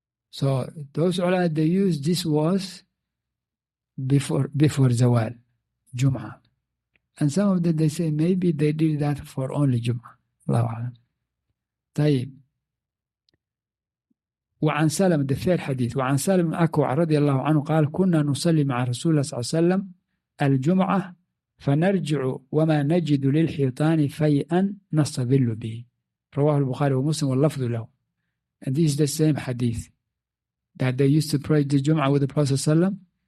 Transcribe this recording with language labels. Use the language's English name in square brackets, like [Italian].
[English] So those ulama, they use this verse before Zawal, Jum'ah. And some of them, they say maybe they did that for only Jum'ah. Allahu a'lam. [Arabic] طيب. وعن سلم [English] the third hadith. [Arabic] وعن سلم أكوع رضي الله عنه قال كنا نصلي مع رسول الله صلى الله عليه وسلم الجمعة فنرجع وما نجد للحيطان فيئا نستظل به. رواه البخاري ومسلم واللفظ له. [English] And this is the same hadith that they used to pray the Jum'ah with the Prophet [Arabic] صلى الله عليه وسلم.